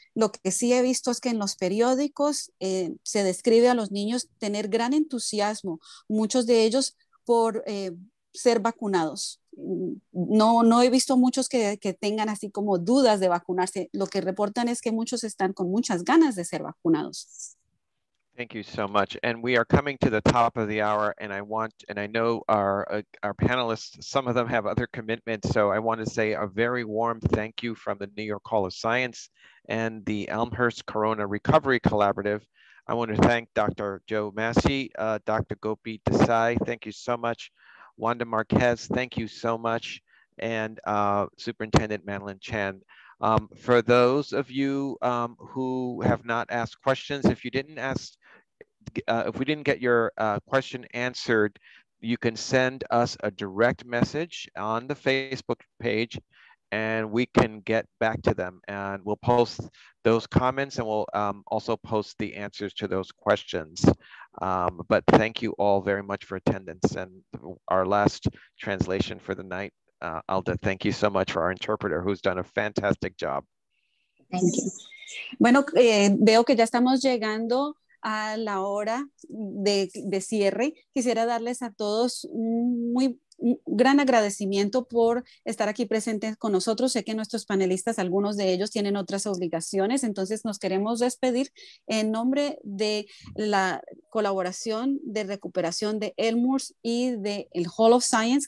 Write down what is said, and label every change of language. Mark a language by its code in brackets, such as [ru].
[es] Lo que sí he visto es que en los periódicos se describe a los niños tener gran entusiasmo, muchos de ellos por ser vacunados. No he visto muchos que tengan así como dudas de vacunarse. Lo que reportan es que muchos están con muchas ganas de ser vacunados. [en] Thank you so much. And we are coming to the top of the hour, and I know our panelists, some of them have other commitments. So I want to say a very warm thank you from the New York Hall of Science and the Elmhurst Corona Recovery Collaborative. I want to thank Dr. Joe Massey, Dr. Gopi Desai. Thank you so much. Wanda Marquez, thank you so much. And Superintendent Madeline Chan. For those of you who have not asked questions, if we didn't get your question answered, you can send us a direct message on the Facebook page and we can get back to them. And we'll post those comments and we'll also post the answers to those questions. But thank you all very much for attendance. And our last translation for the night, Alda, thank you so much for our interpreter who's done a fantastic job. Thank you. [es] Bueno, veo que ya estamos llegando a la hora de cierre. Quisiera darles a todos muy gran agradecimiento por estar aquí presentes con nosotros. Sé que nuestros panelistas, algunos de ellos tienen otras obligaciones, entonces nos queremos despedir en nombre de la colaboración de recuperación de Elmhurst y del Hall of Science.